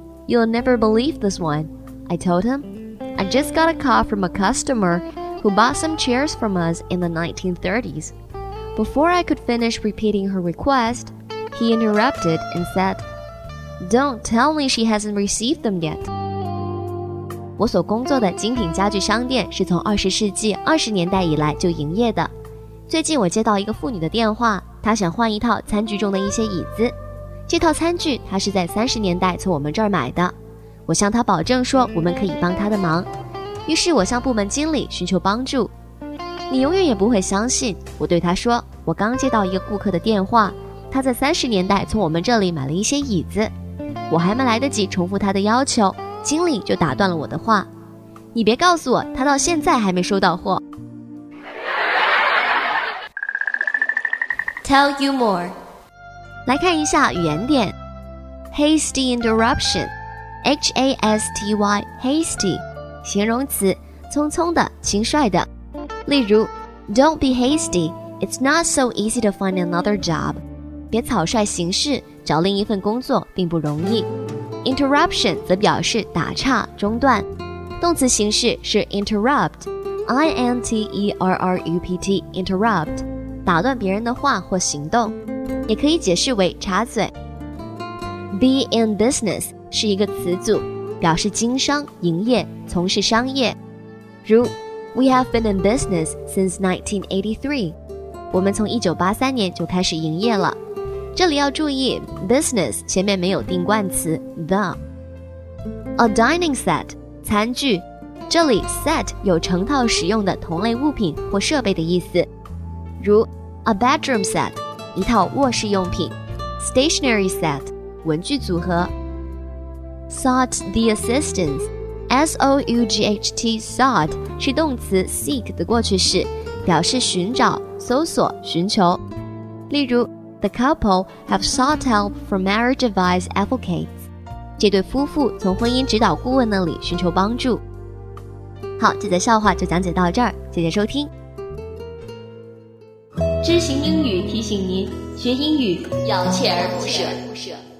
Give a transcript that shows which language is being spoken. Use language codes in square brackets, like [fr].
[en] You'll never believe this one, I told him. I just got a call from a customer who bought some chairs from us in the 1930s. Before I could finish repeating her request, he interrupted and said, Don't tell me she hasn't received them yet. [zh] 我所工作的精品家具商店是从20世纪20年代以来就营业的。最近我接到一个妇女的电话，她想换一套餐具中的一些椅子。这套餐具她是在30年代从我们这儿买的。我向她保证说我们可以帮她的忙。于是我向部门经理寻求帮助。你永远也不会相信，我对他说，我刚接到一个顾客的电话，他在30年代从我们这里买了一些椅子。我还没来得及重复他的要求，经理就打断了我的话。你别告诉我，他到现在还没收到货。 [en] Tell you more. [zh] 来看一下语言点。 [en] Hasty interruption. H-A-S-T-Y, hasty. [zh] 形容词，匆匆的，轻率的。 [en] 例如 Don't be hasty, it's not so easy to find another job. [zh] 别草率行事，找另一份工作并不容易。 [en] Interruption [zh] 则表示打岔、中断。动词形式是 [en] interrupt, I-N-T-E-R-R-U-P-T, interrupt, [zh] 打断别人的话或行动。也可以解释为插嘴。 [en] Be in business [zh] 是一个词组，表示经商、营业、从事商业。 [en] 如We have been in business since 1983. [zh] 我们从1983年就开始营业了。这里要注意 business 前面没有定冠词 the. [en] A dining set, [zh] 餐具。这里 set 有成套使用的同类物品或设备的意思。如 [en] a bedroom set, [zh] 一套卧室用品。 [en] Stationary set, [zh] 文具组合。 [en] Sought the assistance,S-O-U-G-H-T, sought, [zh] 是动词 [en] seek [zh] 的过去式，表示寻找、搜索、寻求。 [en] 例如 The couple have sought help from marriage advice advocates. [zh] 这对夫妇从婚姻指导顾问那里寻求帮助。好，这则笑话就讲解到这儿，谢谢收听。知行英语提醒您，学英语要锲而不舍。